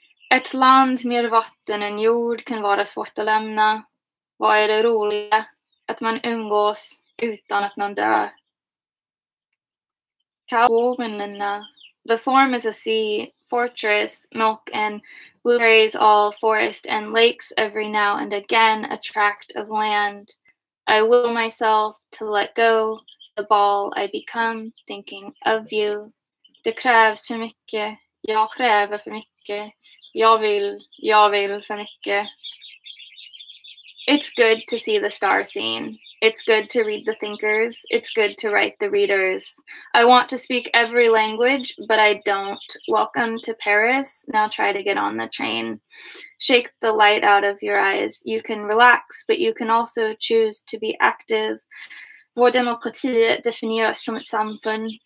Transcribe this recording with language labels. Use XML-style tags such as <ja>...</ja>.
<sv>Ett land med vatten och jord kan vara svårt att lämna. Vad är det roliga? Att man umgås utan att någon dör. Kaumenlinna.</sv> <en>The form is a sea, fortress, milk and blueberries, all forest and lakes every now and again, a tract of land. I will myself to let go, the ball I become, thinking of you.</en> <sv>Det krävs för mycket. Jag kräver för mycket. Jag vill för mycket.</sv> <en>It's good to see the star scene. It's good to read the thinkers. It's good to write the readers. I want to speak every language, but I don't. Welcome to Paris. Now try to get on the train. Shake the light out of your eyes. You can relax, but you can also choose to be active.</en> <sv>Vår demokrati definieras som ett samfund.</sv>